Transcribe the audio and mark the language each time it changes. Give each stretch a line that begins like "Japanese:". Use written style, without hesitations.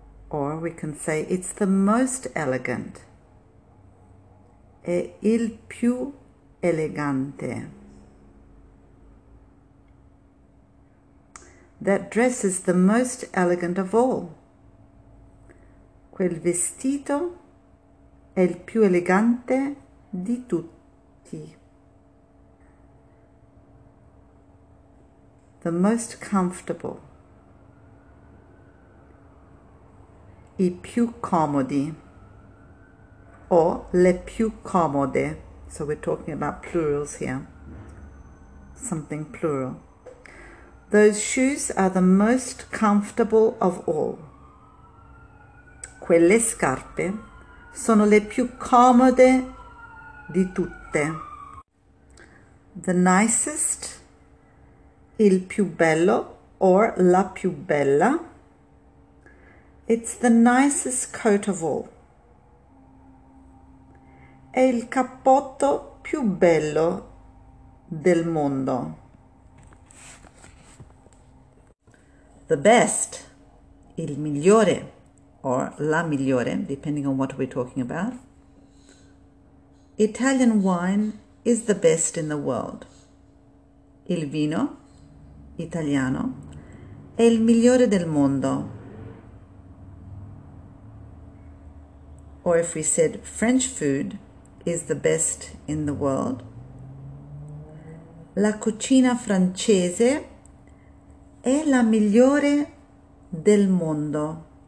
English: Or we can say it's the most elegant.
Italian: È il più elegante.
English: That dress is the most elegant of all.
Italian: Quel vestito è il più elegante di tutti.
English: The most comfortable.
Italian: I più comodi, or le più comode.
English: So we're talking about plurals here. Something plural. Those shoes are the most comfortable of all.
Italian: Quelle scarpe sono le più comode di tutte.
English: The nicest,
Italian: il più bello, or la più bella.
English: It's the nicest coat of all.
Italian: È il cappotto più bello del mondo.
English: The best,
Italian: il migliore,
English: or
Italian: la migliore,
English: depending on what we're talking about. Italian wine is the best in the world.
Italian: Il vino italiano è il migliore del mondo.
English: Or if we said French food is the best in the world.
Italian: La cucina francese è la migliore del mondo.